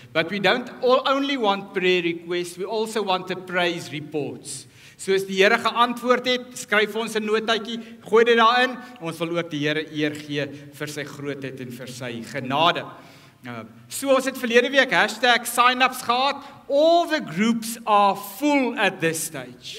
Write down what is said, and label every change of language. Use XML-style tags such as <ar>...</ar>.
<en>But we don't all only want prayer requests, we also want the praise reports.</en> <af>Soos die Here geantwoord het, skryf ons 'n notaatjie, gooi dit daarin. Ons wil ook die Here eer gee vir sy grootheid en vir sy genade. So ons het verlede week hashtag signups gehad.</af> <en>All the groups are full at this stage.</en>